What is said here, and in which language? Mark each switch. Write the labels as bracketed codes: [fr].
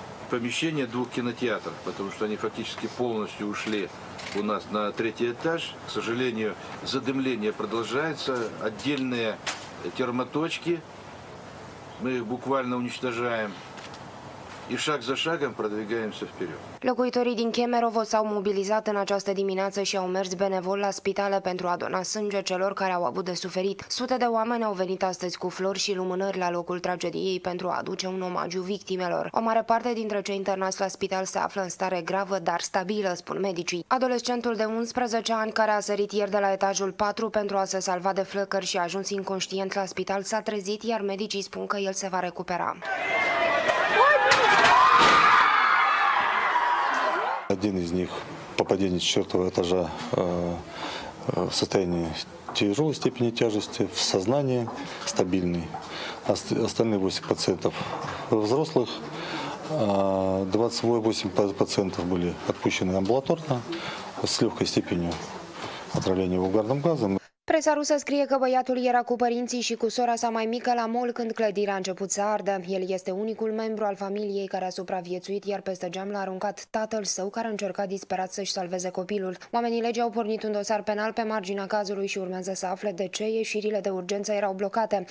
[ru] Помещение двух кинотеатров, потому что они фактически полностью ушли у нас на третий этаж. К сожалению, задымление продолжается. Отдельные термоточки мы их буквально уничтожаем. И шаг за шагом продвигаемся вперед. [ro] Locuitorii din Kemerovo s-au mobilizat în această dimineață și au mers benevol la spitale pentru a dona sânge celor care au avut de suferit. Sute de oameni au venit astăzi cu flori și lumânări la locul tragediei pentru a aduce un omagiu victimelor. O mare parte dintre cei internați la spital se află în stare gravă, dar stabilă, spun medicii. Adolescentul de 11 ani, care a sărit ieri de la etajul 4 pentru a se salva de flăcări și a ajuns inconștient la spital, s-a trezit, iar medicii spun că el se va recupera. [ru] Один из них, попадение с четвертого этажа, в состоянии тяжелой степени тяжести, в сознании стабильный. Остальные 8 пациентов взрослых, 28 пациентов были отпущены амбулаторно с легкой степенью отравления угарным газом. [ro] Presa rusă scrie că băiatul era cu părinții și cu sora sa mai mică la mol când clădirea a început să ardă. El este unicul membru al familiei care a supraviețuit, iar peste geam l-a aruncat tatăl său care încerca disperat să-și salveze copilul. Oamenii legii au pornit un dosar penal pe marginea cazului și urmează să afle de ce ieșirile de urgență erau blocate.